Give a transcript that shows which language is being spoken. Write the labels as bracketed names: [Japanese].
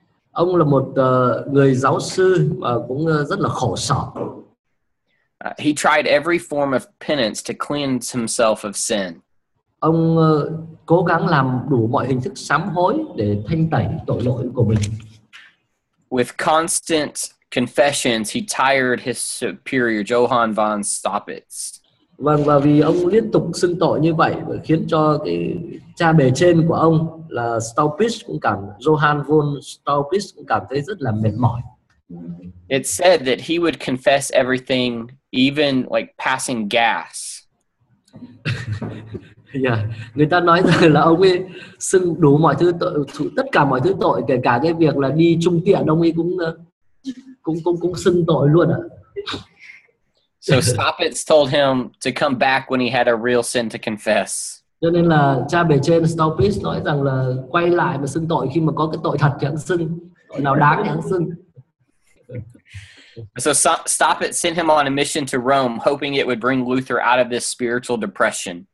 [Vietnamese] Ông là một người giáo sư mà cũng rất là khổ sở. [English] He tried every form of penance to cleanse himself of sin. [Vietnamese] Ông cố gắng làm đủ mọi hình thức sám hối để thanh tẩy tội lỗi của mình. [English] With constant confessions, he tired his superior Johann von Staupitz. [Vietnamese] Vâng, và vì ông liên tục xưng tội như vậy khiến cho cái cha bề trên của ông là Staupitz cũng cảm Johann von Staupitz cũng cảm thấy rất là mệt mỏi. [English] It said that he would confess everything, even like passing gas. [Vietnamese] Yeah, người ta nói rằng là ông ấy xưng đủ mọi thứ tội, tất cả mọi thứ tội, kể cả cái việc là đi chung tiện, ông ấy cũng xưng tội luôn ạ. [English] So Staupitz told him to come back when he had a real sin to confess. [Vietnamese] Cho nên là cha bề trên Staupitz nói rằng là quay lại mà xưng tội khi mà có cái tội thật thì hắn xưng, tội nào đáng thì hắn xưng. [English] So Staupitz sent him on a mission to Rome, hoping it would bring Luther out of this spiritual depression.